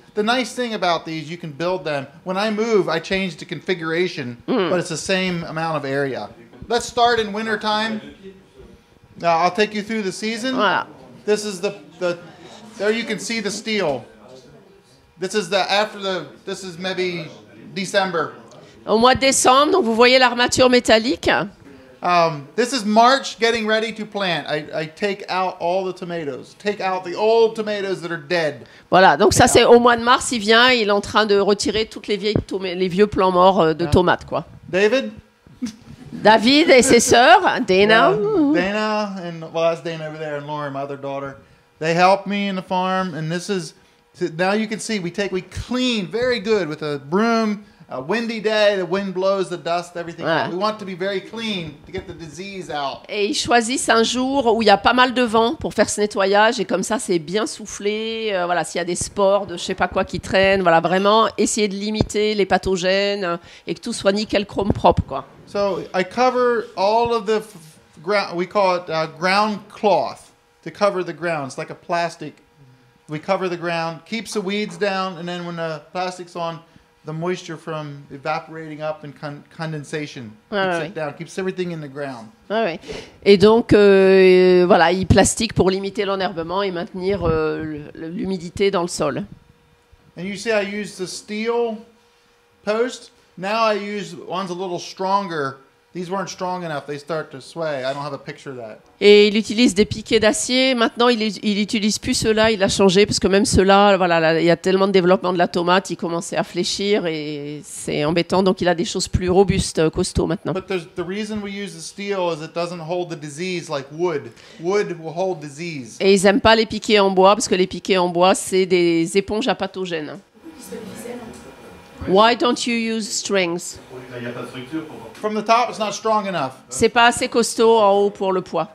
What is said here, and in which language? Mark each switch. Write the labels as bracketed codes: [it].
[en] The nice thing about these, you can build them. When I move, I change the configuration, but it's the same amount of area. Let's start in winter time. Now, I'll take you through the season. [fr] Voilà. [en] This is the there you can see the steel. This is this is maybe December. [fr] Au mois de décembre, donc vous voyez l'armature métallique. [en] This is March, getting ready to plant. I take out all the tomatoes. Take out the old tomatoes that are dead. [fr] Voilà, donc ça c'est au mois de mars, il vient, il est en train de retirer toutes les vieux plants morts de tomates, quoi. [en] David [fr] et ses sœurs, Dana. [en] Well, Dana and that's Dana over there, and Laura, my other daughter. They help me in the farm, and this is. So now you can see we clean very good with a broom a windy day, the wind blows the dust, everything. Ouais. We want to be very clean to get the disease out. [fr] Et ils choisissent un jour où il y a pas mal de vent pour faire ce nettoyage, et comme ça c'est bien soufflé, voilà, s'il y a des spores de je sais pas quoi qui traînent, voilà, vraiment essayer de limiter les pathogènes et que tout soit nickel chrome propre, quoi. [en] So I cover all of the ground, we call it ground cloth to cover the ground. It's like a plastic. We cover the ground, keeps the weeds down, and then when the plastic's on, the moisture from evaporating up and condensation keeps it down, keeps everything in the ground. [fr] Ah ouais. Et donc, voilà, il plastique pour limiter l'enherbement et maintenir l'humidité dans le sol. [en] And you see, I use the steel post. Now I use ones a little stronger. These weren't strong enough. They start to sway. I don't have a picture of that. [fr] Et il utilise des piquets d'acier. Maintenant, il n'utilise plus ceux-là. Il a changé parce que même ceux-là, voilà, là, il y a tellement de développement de la tomate, il commençait à fléchir et c'est embêtant. Donc, il a des choses plus robustes, costauds maintenant. [en] But the reason we use the steel is it doesn't hold the disease like wood. Wood will hold disease. [fr] Et ils n'aiment pas les piquets en bois parce que les piquets en bois, c'est des éponges à pathogènes. [en] Why don't you use strings? From the top, it's not strong enough. [fr] C'est pas assez costaud en haut pour le poids.